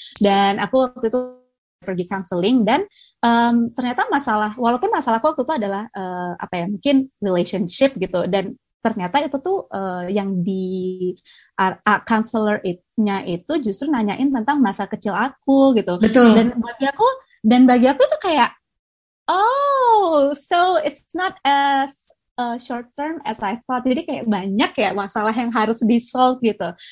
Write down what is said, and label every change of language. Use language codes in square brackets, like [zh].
[id] Dan aku waktu itu pergi counseling, dan ternyata masalah, walaupun masalah aku waktu itu adalah apa ya, mungkin relationship gitu, dan ternyata itu tuh yang di counselor-nya itu justru nanyain tentang masa kecil aku gitu. Betul. Dan bagi aku tuh kayak oh, [en] so it's not as short term as I thought. [id] Jadi kayak banyak ya masalah yang harus di solve gitu.